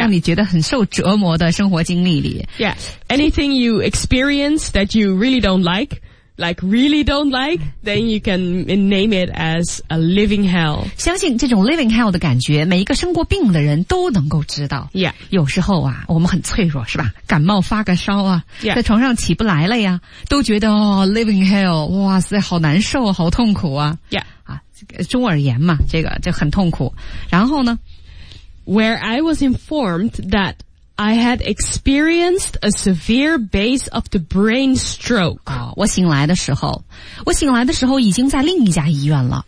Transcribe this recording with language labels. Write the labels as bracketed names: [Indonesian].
[Chinese] 让你觉得很受折磨的生活经历里。 [English] Yeah, anything you experience that you really don't like,Like really don't like, then you can name it as a living hell. [Chinese] 相信这种 living hell 的感觉，每一个生过病的人都能够知道。 [English] Yeah. [Chinese] 有时候啊，我们很脆弱，是吧？感冒发个烧啊， [English] yeah. [Chinese] 在床上起不来了呀，都觉得哦 living hell, 哇塞，好难受，好痛苦啊。 [English] Yeah. [Chinese] 啊，中耳炎嘛，这很痛苦。然后呢 [English] ？Where I was informed that. I had experienced a severe base of the brain stroke.、 [Chinese] Oh, 我醒来的时候已经在另一家医院了。